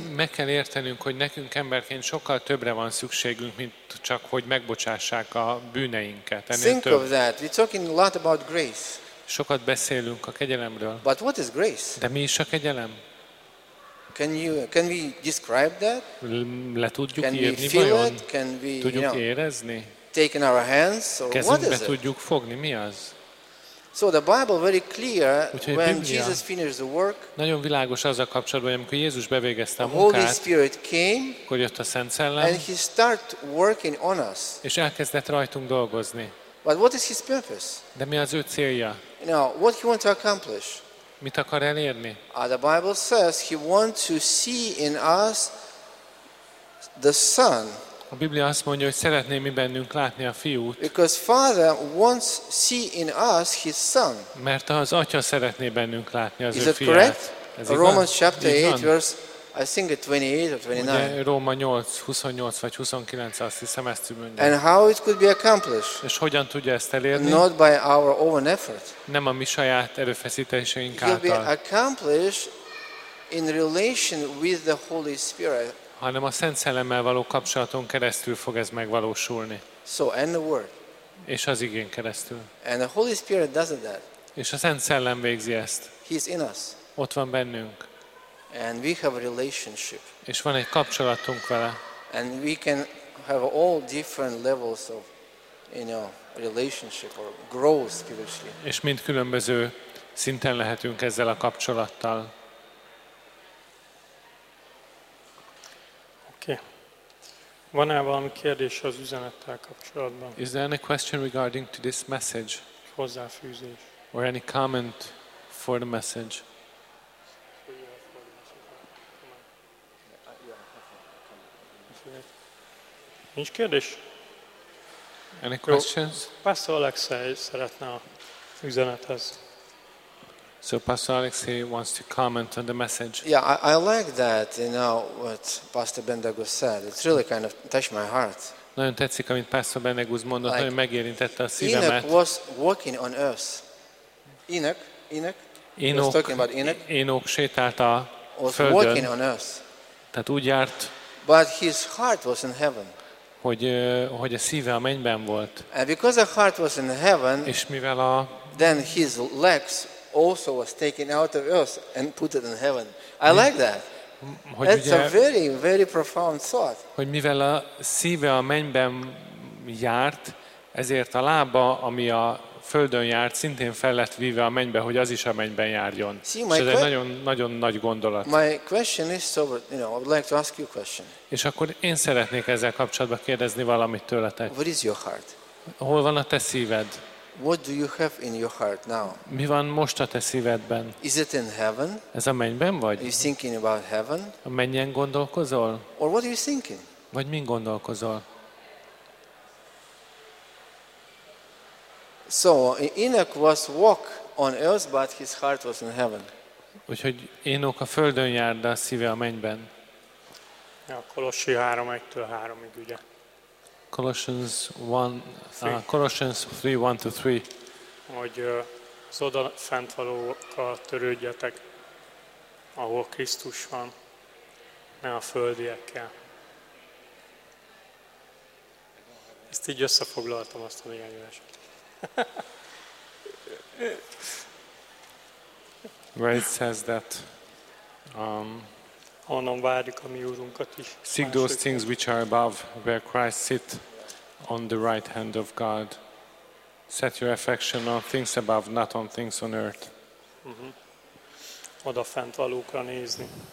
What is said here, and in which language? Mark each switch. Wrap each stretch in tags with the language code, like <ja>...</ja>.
<hu>Meg kell értenünk, hogy nekünk emberként sokkal többre van szükségünk, mint csak hogy megbocsássák a bűneinket. Ennél</hu> <en>think</en> <hu>több.</hu> <en>Of that. We're talking a lot about grace.</en> <hu>Sokat beszélünk a kegyelemről.</hu> <en>But what is grace?</en> <hu>De mi is a kegyelem?</hu> <en>Can we describe that?</en> <hu>Le tudjuk</hu> <en>can</en> <hu>írni</hu> <en>we feel</en> <hu>vajon?</hu> <en>It? Can we,</en> <hu>tudjuk</hu> <en>you know,</en> <hu>érezni?</hu> <en>Taken our hands or</en> <hu>kezünkbe</hu> <en>what is it?</en> <hu>Kezünkbe tudjuk fogni, mi az?</hu> <en>So the Bible very clear when Jesus finished the work.</en> <hu>Nagyon világos az a kapcsolatban, amikor Jézus bevégezte a munkát.</hu> <en>Holy Spirit came.</en> <hu>Hogy jött a Szent Szellem.</hu> <en>And he start working on us.</en> <hu>És elkezdett rajtunk dolgozni.</hu> <en>But what is his purpose?</en> <hu>De mi az ő célja?</hu> <en>Now, what he want to accomplish?</en> <hu>Mit akar elérni?</hu> <en>The Bible says he want to see in us the Son.</en> <hu>A Biblia azt mondja, hogy szeretné mi bennünk látni a fiút.</hu> <en>Because Father wants see in us his son.</en> <hu>Mert az Atya szeretné bennünk látni az</hu> <en>is</en> <hu>ő fiát.</hu> <en>Is that correct? Romans chapter 8 verse I think 28 or 29.</en> <hu>Róma 8, 28 vagy 29, azt hiszem ezt mondja.</hu> <en>And how it could be accomplished?</en> <hu>És hogyan tudja ezt elérni?</hu> <en>Not by our own effort.</en> <hu>Nem a mi saját erőfeszítéseink által.</hu> <en>It could be accomplished in relation with the Holy Spirit.</en> <hu>Hanem a Szent Szellemmel való kapcsolaton keresztül fog ez megvalósulni.</hu> <en>So, and the word.</en> <hu>És az igén keresztül.</hu> <en>And the Holy Spirit does that.</en> <hu>És a Szent Szellem végzi ezt.</hu> <en>He's in us.</en> <hu>Ott van bennünk.</hu> <en>And we have a relationship.</en> <hu>És van egy kapcsolatunk vele.</hu> <en>And we can have all different levels of, you know, relationship or growth spiritually.</en> <hu>És mind különböző szinten lehetünk ezzel a kapcsolattal. Van-e valami kérdés az üzenettel kapcsolatban?</hu> <en>Is there any question regarding to this message?</en> <hu>Hozzáfűzés.</hu> <en>Or any comment for the message?</en> <hu>Nincs kérdés?</hu> <en>Any questions?</en> <hu>Pastor Alexei szeretne az üzenethez.</hu> <en>So Pastor Alexei wants to comment on the message. Yeah, I like that, you know, what Pastor Bendegúz said. It's really kind of touched my heart.</en> <hu>Nagyon tetszik, amit Pastor Bendegúz mondott, nagyon megérintette a szívemet.</hu> <en>Enoch was walking on earth. Enoch</en> <hu>sétált a</hu> <en>was</en> <hu>földön.</hu> <en>Walking on earth.</en> <hu>Tehát úgy járt.</hu> <en>But his heart was in heaven.</en> <hu>Hogy a szíve a mennyben volt.</hu> <en>And because the heart was in heaven,</en> <hu>és mivel a</hu> <en>then his legs also was taken out of earth and put it in heaven. I like that. That's a very, very profound thought.</en> <hu>Hogy mivel a szíve a mennyben járt, ezért a lába, ami a földön járt, szintén fel lett víve a mennybe, hogy az is a mennyben járjon.</hu> <en>See,</en> <hu>ez egy nagyon, nagyon nagy gondolat.</hu> <en>My question is over, you know, I would like to ask you a question.</en> <hu>És akkor én szeretnék ezzel kapcsolatban kérdezni valamit tőletek.</hu> <en>What is your heart?</en> <hu>Hol van a te szíved?</hu> <en>What do you have in your heart now?</en> <hu>Mi van most a te szívedben?</hu> <en>Is it in heaven?</en> <hu>Ez a mennyben vagy?</hu> <en>Are you thinking about heaven?</en> <hu>A mennyen gondolkozol?</hu> <en>Or what are you thinking?</en> <hu>Vagy mi gondolkozol?</hu> <en>So Enoch was walk on earth, but his heart was in heaven.</en> <hu>Úgyhogy Enoch a földön járt, de a szíve a mennyben. Ja, Kolossi 3:1-3-ig ugye.</hu> <en>Colossians 3:1-3.</en> <hu>Hogy az oda fent valókkal törődjetek, ahol Krisztus van, ne a földiekkel. Ezt így összefoglaltam azt a néhány verset.</hu> <en>Where it says that</en> <hu>onnan várjuk a mi úrunkat is.</hu> <en>Seek those things which are above, where Christ sit on the right hand of God. Set your affection on things above, not on things on earth.</en> <hu>Oda fent valókra nézni.</hu>